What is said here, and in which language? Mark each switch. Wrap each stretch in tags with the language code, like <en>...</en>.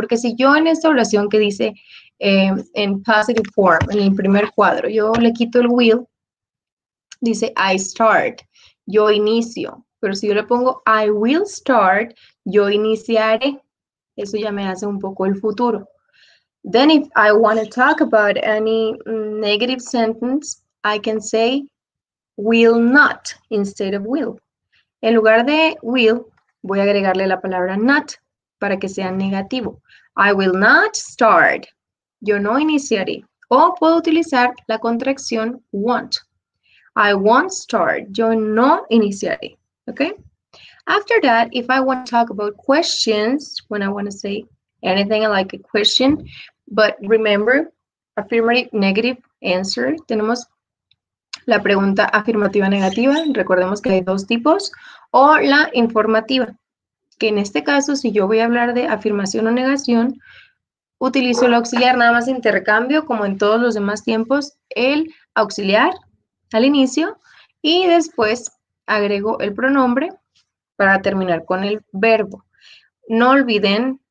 <es>Porque si yo en esta oración que dice en positive form, en el primer cuadro, yo le quito el will, dice</es> <en>I start,</en> <es>yo inicio. Pero si yo le pongo</es> <en>I will start,</en> <es>yo iniciaré. Eso ya me hace un poco el futuro.</es> <en>Then if I want to talk about any negative sentence, I can say will not instead of will.</en> <es>En lugar de will, voy a agregarle la palabra not para que sea negativo.</es> <en>I will not start.</en> <es>Yo no iniciaré. O puedo utilizar la contracción won't.</es> <en>I won't start.</en> <es>Yo no iniciaré. Okay?</es> <en>After that, if I want to talk about questions, when I want to say anything like a question, but remember, affirmative negative answer.</en> <es>Tenemos la pregunta afirmativa negativa. Recordemos que hay dos tipos. O la informativa, que en este caso, si yo voy a hablar de afirmación o negación, utilizo el auxiliar nada más intercambio, como en todos los demás tiempos, el auxiliar al inicio y después agrego el pronombre para terminar con el verbo. No olviden.</es>